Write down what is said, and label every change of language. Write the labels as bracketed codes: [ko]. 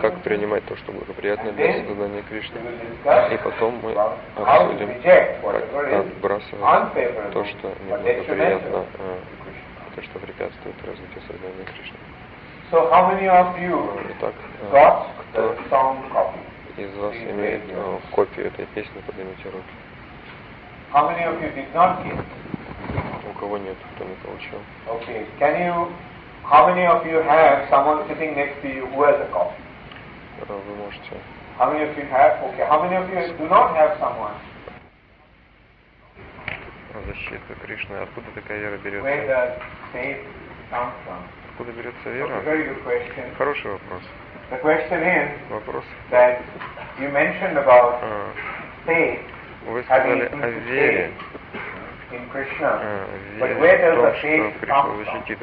[ru] как принимать то, что благоприятно для сознания Кришны. И потом мы обсудим, как отбрасывать то, что неблагоприятно, то, что препятствует развитию сознания Кришны. Итак, кто из вас имеет копию этой песни, поднимите руки. [en] How many of you did not get? [ru] У кого нет, кто не получил? [en] Okay. Can you? How many of you have someone sitting next to you who has a copy? [ru] Вы можете. [en] How many of you have? Okay. How many of you do not have someone? [ru] Защита Кришны. Откуда такая вера берется? [en] Where does faith come from? [ru] Откуда берется вера? [en] That's a very good question. [ru] Хороший вопрос. [en] The question is. [ru] Вопрос. [en] That you mentioned about faith. [ru] Вы сказали о вере, вере в том, что Кришна защитит.